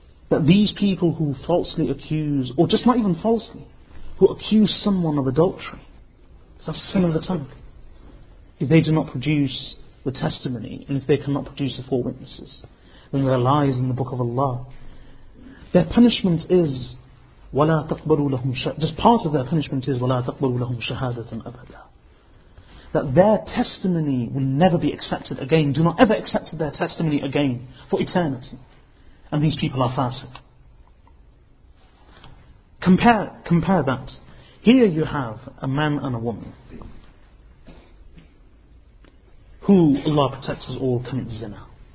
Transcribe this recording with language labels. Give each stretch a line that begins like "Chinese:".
English: That these people who falsely accuse, or just not even falsely, who accuse someone of adultery, that's a sin of the tongue. If they do not produce the testimony, and if they cannot produce the four witnesses, then they're liars in the book of Allah. Their punishment is,
Arabic: وَلَا تَقْبَلُوا لَهُمْ شَهَادَةً.
English: Just part of their punishment is,
Arabic: وَلَا تَقْبَلُوا لَهُمْ شَهَادَةً أَبَدًا.
English: That their testimony will never be accepted again. Do not ever accept their testimony again for eternity. And these people are fasiq. Compare that. Here you have a man and a woman who Allah protects us all commit zina.